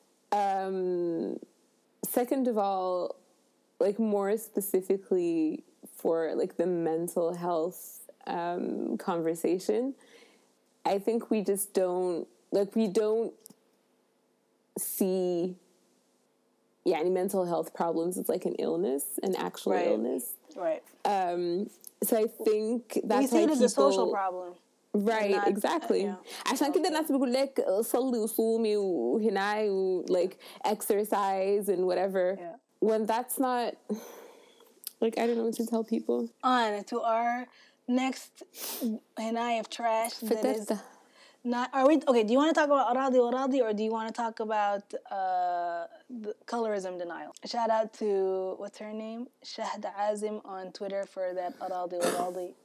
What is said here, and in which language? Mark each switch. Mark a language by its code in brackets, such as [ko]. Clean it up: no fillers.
[en] Second of all, like, more specifically for, like, the mental health conversation, I think we just don't, like, we don't see, yeah, any mental health problems as, like, an illness, an actual illness. Right. So I think that's why people... We see it as a social problem. Right, exactly. [ar] عشان كده الناس بيقول لك صلي وصومي وهناي [en] like exercise and whatever. Yeah. When that's not, like, I don't know what to tell people. On to our next هناي of trash that is not. Are we okay? Do you want to talk about أراضي وأراضي or do you want to talk about the colorism denial? Shout out to what's her name, Shahda Azim on Twitter for that أراضي وأراضي.